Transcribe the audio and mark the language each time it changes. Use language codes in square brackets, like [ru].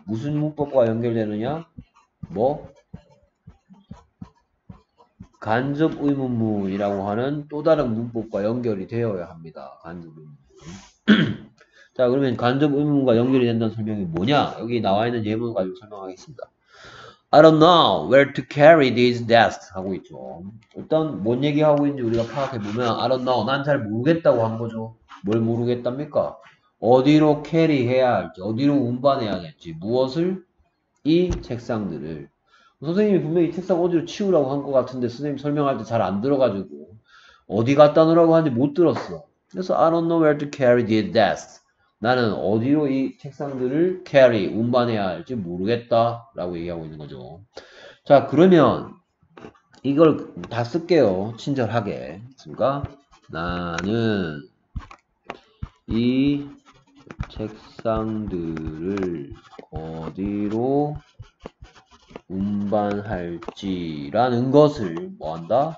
[ko] 무슨 문법과 연결되느냐? 뭐? 간접 의문문이라고 하는 또 다른 문법과 연결이 되어야 합니다. 간접 의문문. 자, 그러면 간접 의문문과 연결이 된다는 설명이 뭐냐? 여기 나와 있는 예문을 가지고 설명하겠습니다. [en] I don't know where to carry these desks [ko] 하고 있죠. 일단 뭔 얘기하고 있는지 우리가 파악해보면 [en] I don't know, [ko] 난 잘 모르겠다고 한 거죠. 뭘 모르겠답니까? 어디로 캐리 해야 할지, 어디로 운반해야 할지, 무엇을? 이 책상들을. 선생님이 분명히 이 책상 어디로 치우라고 한 것 같은데 선생님 설명할 때 잘 안 들어가지고 어디 갖다 놓으라고 하는지 못 들었어. 그래서 [en] I don't know where to carry these desks. [ko] 나는 어디로 이 책상들을 carry, 운반해야 할지 모르겠다 라고 얘기하고 있는 거죠. 자, 그러면 이걸 다 쓸게요. 친절하게. 그러니까 나는 이 책상들을 어디로 운반할지라는 것을 뭐한다?